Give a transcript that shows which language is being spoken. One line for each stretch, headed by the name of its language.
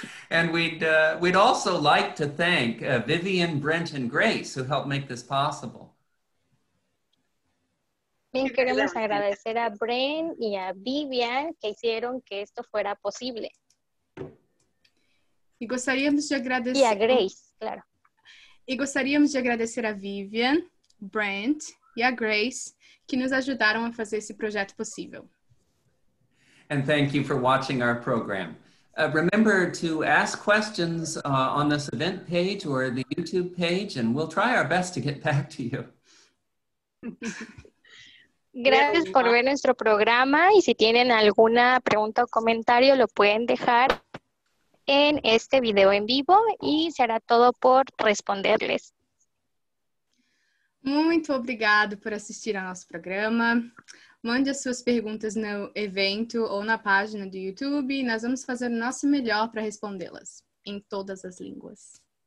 English: And we'd also like to thank Vivian, Brent, and Grace who helped make this possible.
Spanish: También queremos agradecer a Brent y a Vivian que hicieron que esto fuera posible.
Portuguese: E gostaríamos de agradecer... E a Grace, claro. E gostaríamos de agradecer a Vivian, Brent e a Grace que nos ajudaram a fazer esse projeto possível.
English: And thank you for watching our program. Remember to ask questions on this event page or the YouTube page and we'll try our best to get back to you.
Spanish: Gracias por ver nuestro programa y si tienen alguna pregunta o comentario lo pueden dejar en este video en vivo y será todo por responderles.
Portuguese: Muito obrigado por assistir ao nosso programa. Mande as suas perguntas no evento ou na página do YouTube e nós vamos fazer o nosso melhor para respondê-las em todas as línguas.